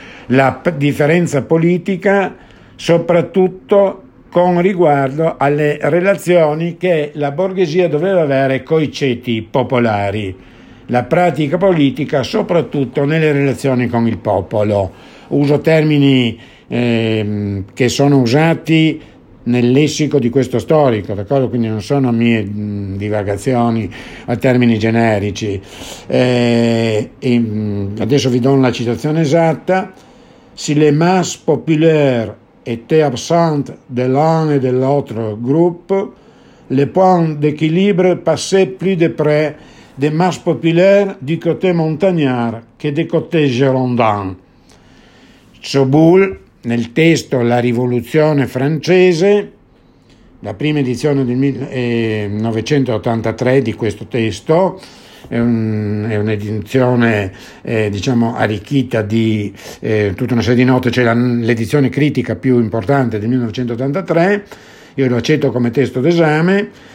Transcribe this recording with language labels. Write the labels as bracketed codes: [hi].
[it] La differenza politica soprattutto con riguardo alle relazioni che la borghesia doveva avere coi ceti popolari, la pratica politica soprattutto nelle relazioni con il popolo. Uso termini che sono usati nel lessico di questo storico, d'accordo? Quindi non sono mie divagazioni a termini generici. [fr] Adesso vi do una citazione esatta: si le masse populaire était absente de l'un et de l'autre groupe, le point d'équilibre passait plus de près des masses populaires du côté montagnard que des côtés girondins. [it] Sobul, nel testo La rivoluzione francese, la prima edizione del 1983 di questo testo, è un'edizione diciamo arricchita di tutta una serie di note, cioè l'edizione critica più importante del 1983, io lo accetto come testo d'esame.